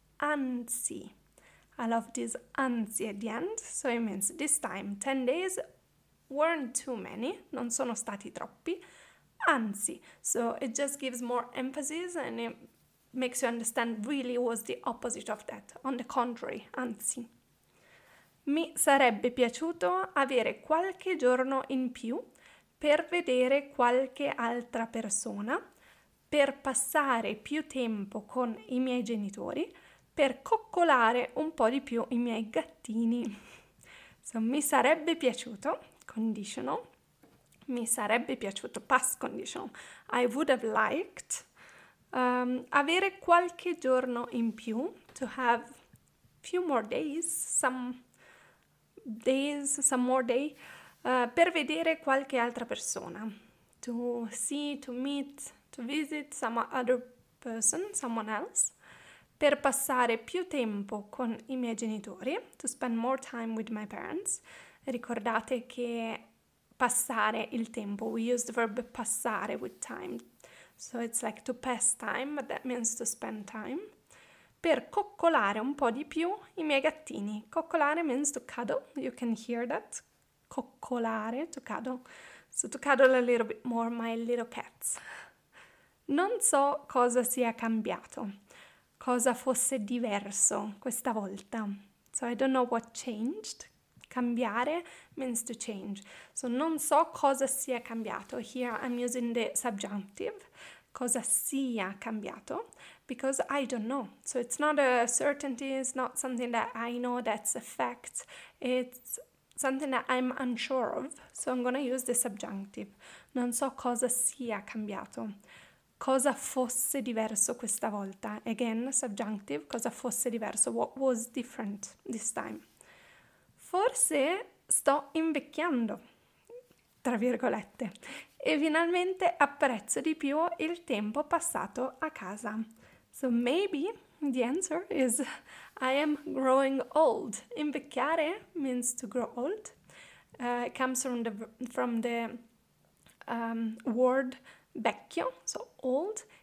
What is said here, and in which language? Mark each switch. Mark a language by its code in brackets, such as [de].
[en] Anzi, I love this anzi at the end, so it means this time 10 days weren't too many, [it] non sono stati troppi. [en] Anzi, so it just gives more emphasis and it makes you understand really was the opposite of that. On the contrary, anzi. [it] Mi sarebbe piaciuto avere qualche giorno in più per vedere qualche altra persona, per passare più tempo con i miei genitori, per coccolare un po' di più i miei gattini. [en] So, [it] mi sarebbe piaciuto, [en] conditional, mi sarebbe piaciuto, past conditional, I would have liked, [it] avere qualche giorno in più, [en] to have few more days, some more day, [it] per vedere qualche altra persona, [en] to see, to meet, to visit some other person, someone else, [it] per passare più tempo con i miei genitori, [en] to spend more time with my parents. [it] Ricordate che passare il tempo, [en] we use the verb passare with time, so it's like to pass time, but that means to spend time. [it] Per coccolare un po' di più i miei gattini. [en] Coccolare means to cuddle, you can hear that. Coccolare, to cuddle. So to cuddle a little bit more my little cats. [it] Non so cosa sia cambiato, cosa fosse diverso questa volta. [en] So I don't know what changed. Cambiare means to change. [it] So non so cosa sia cambiato. [en] Here I'm using the subjunctive. [it] Cosa sia cambiato, [en] because I don't know. So it's not a certainty, it's not something that I know that's a fact. It's something that I'm unsure of. So I'm gonna use the subjunctive. [it] Non so cosa sia cambiato. Cosa fosse diverso questa volta. [en] Again, subjunctive. [it] Cosa fosse diverso. [en] What was different this time? [it] Forse sto invecchiando, tra virgolette. E finalmente apprezzo di più il tempo passato a casa. [en] So maybe the answer is I am growing old. Invecchiare means to grow old. It comes from the word vecchio, so old.